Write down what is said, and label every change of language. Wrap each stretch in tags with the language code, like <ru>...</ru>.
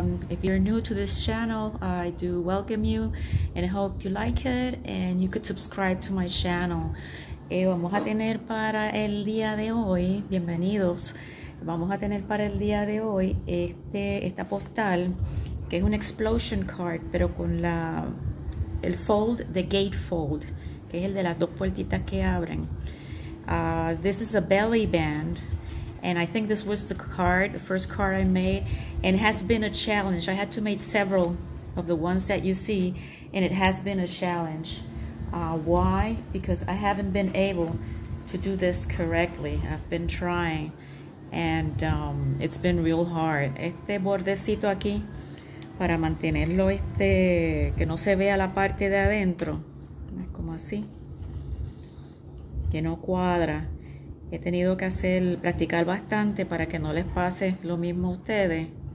<en>If you're new to this channel, I do welcome you and hope you like it and you could subscribe to my channel.</en> <es>Vamos a tener para el día de hoy, bienvenidos. Vamos a tener para el día de hoy esta postal que es un explosion card, pero con el fold,</es> <en>the gate fold,</en> <es>que es el de las dos puertitas que abren.</es> <en>This is a belly band. And I think this was the first card I made, and it has been a challenge. I had to make several of the ones that you see, and it has been a challenge. Why? Because I haven't been able to do this correctly. I've been trying, and it's been real hard.</en> <es>Este bordecito aquí, para mantenerlo que no se vea la parte de adentro, como así, que no cuadra. He tenido que practicar bastante para que no les pase lo mismo a ustedes.</es>